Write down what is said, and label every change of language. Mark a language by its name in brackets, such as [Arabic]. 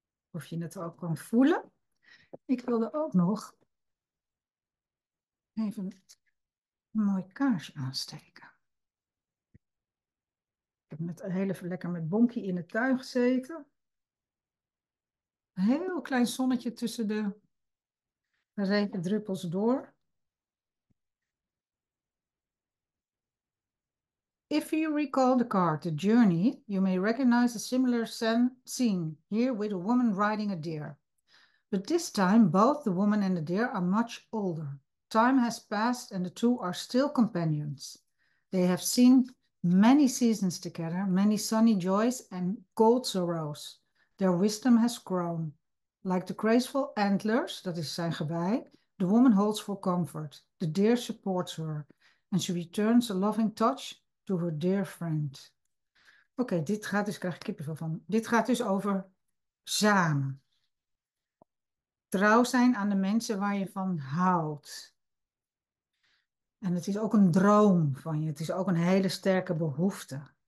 [Dutch] Of je het ook kan voelen. Ik wilde ook nog even een mooi kaarsje aansteken. Ik heb net heel even lekker met Bonkie in de tuin gezeten. Een heel klein zonnetje tussen de regendruppels door. [English] If you recall the card, The Journey, you may recognize a similar scene here with a woman riding a deer. But this time, both the woman and the deer are much older. Time has passed and the two are still companions. They have seen many seasons together, many sunny joys and cold sorrows. Their wisdom has grown. Like the graceful antlers, that is [Dutch] zijn gewei, [English] the woman holds for comfort. The deer supports her and she returns a loving touch to her dear friend. [Dutch] Oké, dit gaat dus, krijg ik kippenvel van. Dit gaat dus over samen. Trouw zijn aan de mensen waar je van houdt. En het is ook een droom van je. Het is ook een hele sterke behoefte.